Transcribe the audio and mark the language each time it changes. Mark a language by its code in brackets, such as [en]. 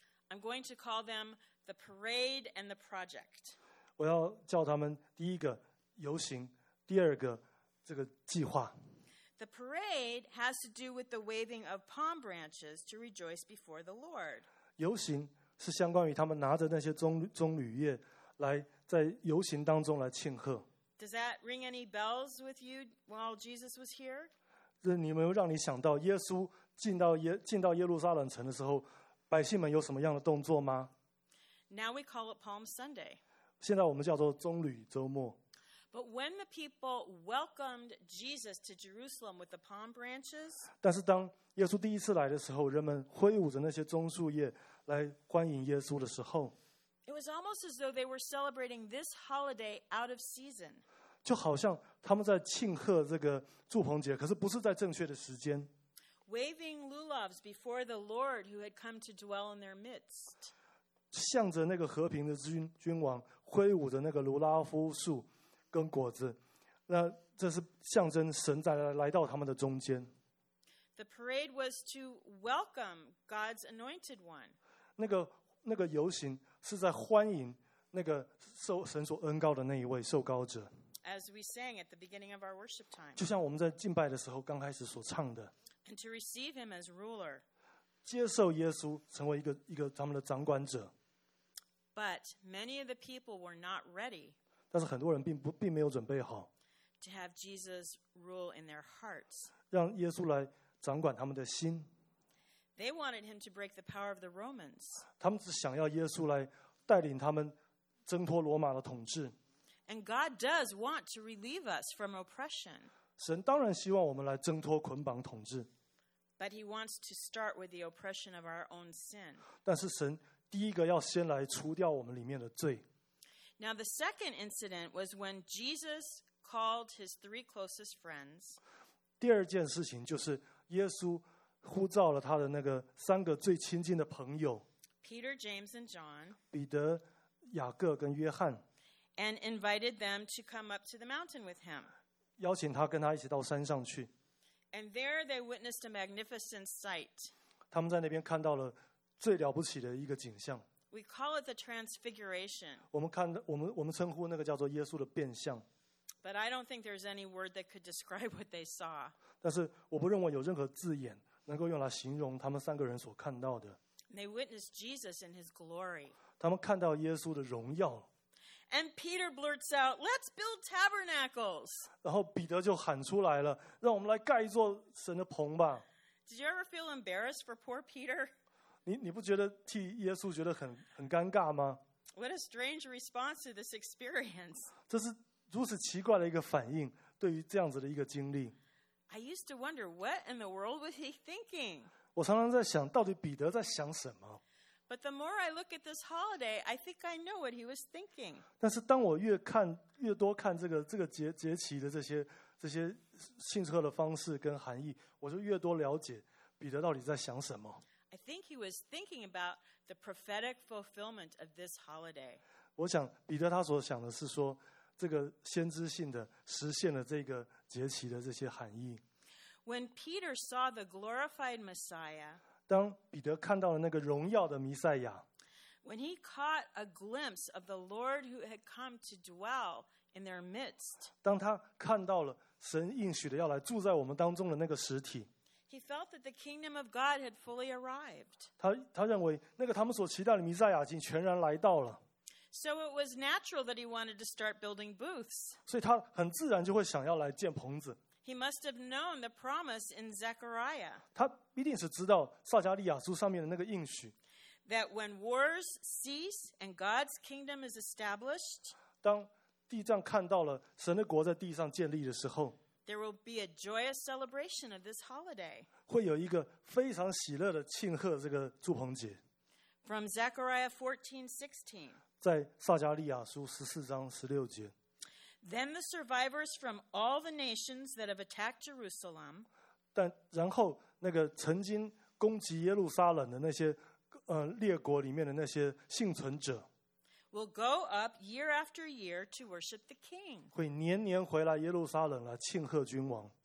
[en] I'm going to call them the parade and the project. [zh] 我要叫他们第一个游行，第二个这个计划。 [en] The parade has to do with the waving of palm branches to rejoice before the Lord. [zh] 游行是相关于他们拿着那些棕榈叶来在游行当中来庆贺。 [en] Does that ring any bells with you while Jesus was here? [zh] 这你们让你想到耶稣进到耶路撒冷城的时候，百姓们有什么样的动作吗？ [en] Now we call it Palm Sunday. [zh] 现在我们叫做棕榈周末。 [en] But when the people welcomed Jesus to Jerusalem with the palm branches, [zh] 但是当耶稣第一次来的时候，人们挥舞着那些棕树叶来欢迎耶稣的时候， [en] it was almost as though they were celebrating this holiday out of season. [zh] 就好像他们在庆贺这个祝棚节，可是不是在正确的时间。 [en] Waving lulavs before the Lord who had come to dwell in their midst. [zh] 向着那个和平的君王挥舞着那个卢拉夫树。跟果子，那这是象征神在来到他们的中间。 [en] The parade was to welcome God's anointed one. [zh] 那个游行是在欢迎那个受神所恩膏的那一位受膏者。 [en] As we sang at the beginning of our worship time. [zh] 就像我们在敬拜的时候刚开始所唱的。 [en] And to receive him as ruler. [zh] 接受耶稣成为一个他们的掌管者。 [en] But many of the people were not ready. [zh] 但是很多人并没有准备好 [en] to have Jesus rule in their hearts. [zh] 让耶稣来掌管他们的心。 [en] They wanted him to break the power of the Romans. [zh] 他们只想要耶稣来带领他们挣脱罗马的统治。 [en] And God does want to relieve us from oppression. [zh] 神当然希望我们来挣脱捆绑统治。 [en] But he wants to start with the oppression of our own sin. [zh] 但是神第一个要先来除掉我们里面的罪。 [en] Now the second incident was when Jesus called his three closest friends. [zh] 第二件事情就是耶稣呼召了他的那个三个最亲近的朋友。 [en] Peter, James, and John. [zh] 彼得、雅各跟约翰。 [en] And invited them to come up to the mountain with him. [zh] 邀请他跟他一起到山上去。 [en] And there they witnessed a magnificent sight. [zh] 他们在那边看到了最了不起的一个景象。 [en] We call it the transfiguration. [zh] 我们称呼那个叫做耶稣的变相。 [en] But I don't think there's any word that could describe what they saw. [zh] 但是我不认为有任何字眼能够用来形容他们三个人所看到的。 [en] They witnessed Jesus in his glory. [zh] 他们看到耶稣的荣耀。 [en] And Peter blurts out, "Let's build tabernacles." [zh] 然后彼得就喊出来了，让我们来盖一座神的棚吧。 [en] Did you ever feel embarrassed for poor Peter? [zh] 你不觉得替耶稣觉得很尴尬吗？ [en] What a strange response to this experience. [zh] 这是如此奇怪的一个反应，对于这样子的一个经历。 [en] I used to wonder what in the world was he thinking. [zh] 我常常在想，到底彼得在想什么？ [en] But the more I look at this holiday, I think I know what he was thinking. [zh] 但是当我越多看这个节期的这些庆贺的方式跟含义，我就越多了解彼得到底在想什么。 [en] I think he was thinking about the prophetic fulfillment of this holiday. [zh] 我想彼得他所想的是说，这个先知性的实现了这个节期的这些含义。 [en] When Peter saw the glorified Messiah, [zh] 当彼得看到了那个荣耀的弥赛亚。 [en] When he caught a glimpse of the Lord who had come to dwell in their midst, [zh] 当他看到了神应许的要来住在我们当中的那个实体。 [en] He felt that the kingdom of God had fully arrived. [zh] 他认为那个他们所期待的弥赛亚已经全然来到了。 [en] So it was natural that he wanted to start building booths. [zh] 所以他很自然就会想要来建棚子。 [en] He must have known the promise in Zechariah. [zh] 他一定是知道撒迦利亚书上面的那个应许。 [en] That when wars cease and God's kingdom is established, [zh] 当地上看到了神的国在地上建立的时候。 [en] There will be a joyous celebration of this holiday. [zh] 会有一个非常喜乐的庆贺这个祝棚节。 [en] From Zechariah 14:16. [zh] 在撒加利亚书十四章十六节。 [en] Then the survivors from all the nations that have attacked Jerusalem. [zh] 但然后那个曾经攻击耶路撒冷的那些列国里面的那些幸存者。 [en] Will go up year after year to worship the king. [zh] 会年年回来耶路撒冷来庆贺君王。